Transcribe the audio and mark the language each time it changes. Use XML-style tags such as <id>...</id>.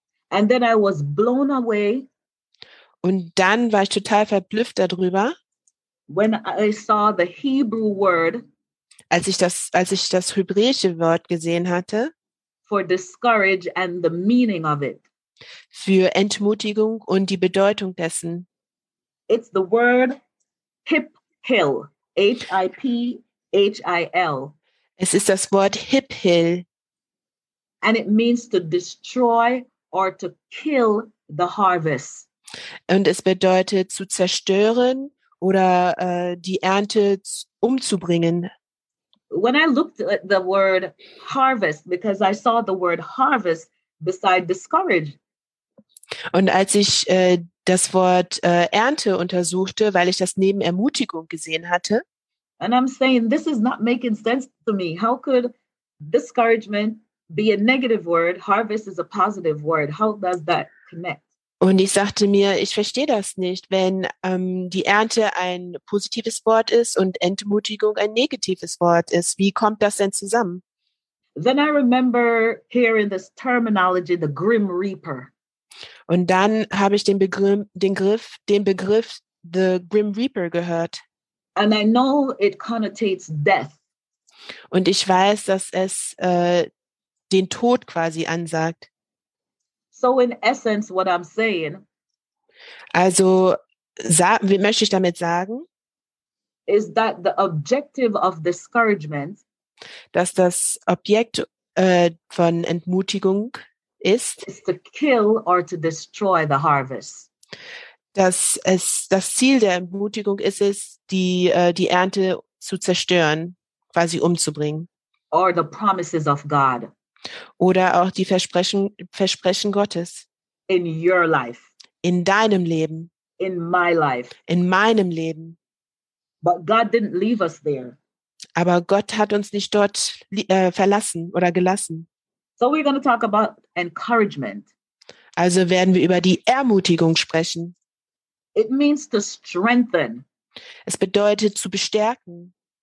<en>And then I was blown away.</en> <de>Und dann war ich total verblüfft darüber.</de> <en>When I saw the Hebrew word.</en> <de>Als ich das hebräische Wort gesehen hatte.</de> <en>For discourage and the meaning of it.</en> <de>Für Entmutigung und die Bedeutung dessen.</de> <en>It's the word hiphil. H-I-P-H-I-L.</en> <de>Es ist das Wort hiphil.</de> <en>And it means to destroy or to kill the harvest.</en> <de>Und es bedeutet zu zerstören oder die Ernte umzubringen.</de> <en>When I looked at the word harvest, because I saw the word harvest beside discouraged.</en> <de>Und als ich das Wort Ernte untersuchte, weil ich das neben Ermutigung gesehen hatte.</de> <en>And I'm saying, this is not making sense to me. How could discouragement be a negative word? Harvest is a positive word. How does that connect?</en> <de>Und ich sagte mir, ich verstehe das nicht, wenn die Ernte ein positives Wort ist und Entmutigung ein negatives Wort ist. Wie kommt das denn zusammen?</de> <en>Then I remember hearing this terminology, the Grim Reaper.</en> <de>Und dann habe ich den Begriff the Grim Reaper gehört.</de> <en>And I know it connotates death.</en> <de>Und ich weiß, dass es den Tod quasi ansagt.</de> <en>So in essence, what I'm saying.</en> <de>Also, wie möchte ich damit sagen?</de> <en>Is that the objective of discouragement?</en> <de>Dass das Objekt von Entmutigung ist. Is to kill or to destroy the harvest. Dass es das Ziel der Entmutigung ist, die Ernte zu zerstören, quasi umzubringen.</de> <en>Or the promises of God.</en> <de>Oder auch die Versprechen Gottes.</de> <en>In your life.</en> <de>In deinem Leben.</de> <en>In my life.</en> <de>In meinem Leben.</de> <en>But God didn't leave us there.</en> <de>Aber Gott hat uns nicht dort verlassen oder gelassen.</de> <en>So we're going to talk about encouragement.</en> <de>Also werden wir über die Ermutigung sprechen.</de> <en>It means to strengthen.</en> <de>Es bedeutet zu bestärken.</de>